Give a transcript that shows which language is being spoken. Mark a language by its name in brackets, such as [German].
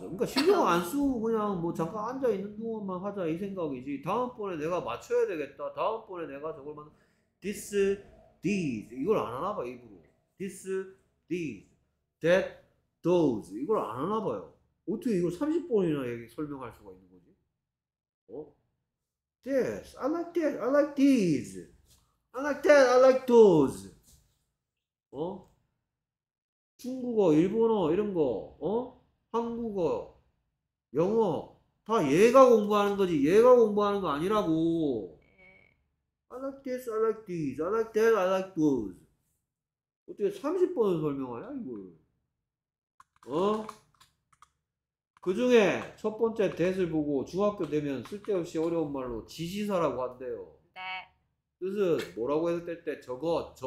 [Korean] 그러니까 신경 안 쓰고 그냥 뭐 잠깐 앉아 있는 동안만 하자 이 생각이지. 다음번에 내가 맞춰야 되겠다. 다음번에 내가 저걸 만 this, these 이걸 안 하나 봐 입으로. [English] this, these, that, those [Korean] 이걸 안 하나 봐요. 어떻게 이걸 30번이나 얘기 설명할 수가 있는 거지? [English] this, I like that, I like these, I like that, I like those. [Korean] 중국어, 일본어 이런 거, 한국어, 영어 다 얘가 공부하는 거지. 얘가 공부하는 거 아니라고. [English] I like this, I like these, I like that, I like those. [Korean] 어떻게 30번을 설명하냐 이걸? 그 중에 첫 번째 that을 보고 중학교 되면 쓸데없이 어려운 말로 지시사라고 한대요. 뜻은 뭐라고 했을 때 저거, 저.